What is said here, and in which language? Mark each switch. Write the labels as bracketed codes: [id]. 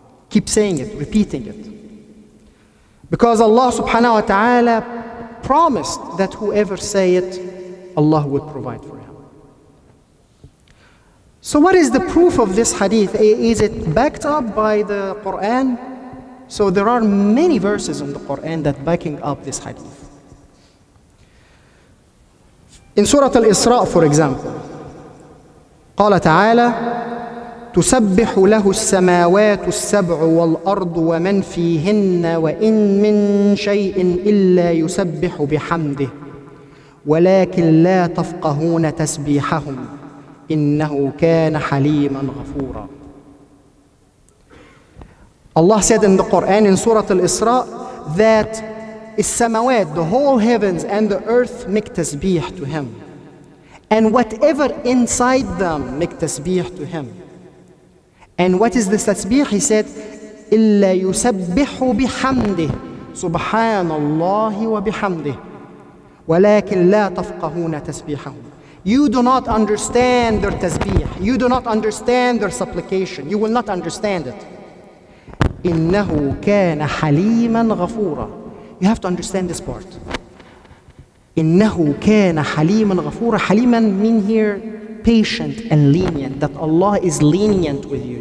[en] Keep saying it, repeating it. Because Allah subhanahu wa ta'ala promised that whoever say it, Allah would provide for him. So what is the proof of this hadith? Is it backed up by the Quran? So there are many verses in the Quran that backing up this hadith. In Surah Al-Isra, for example, [ar] قال تعالى تسبح له السماوات السبع والأرض ومن فيهن وإن من شيء إلا يسبح بحمده ولكن لا تفقهون تسبيحهم إنه كان حليما غفورا. [en] Allah said in the Quran in Surah Al-Isra that السماوات, the whole heavens and the earth make tasbih to him, and whatever inside them make tasbih to him. And what is this tasbih? He said, [ar] إلا يسبح بحمده سبحان الله وبحمده ولكن لا تفقهون تسبيحهم. [en] You do not understand their tasbih. You do not understand their supplication. You will not understand it. [ar] إنه كان حليما غفورا. [en] You have to understand this part. [ar] إنه كان حليما غفورا. [en] حليما mean here patient and lenient, that Allah is lenient with you.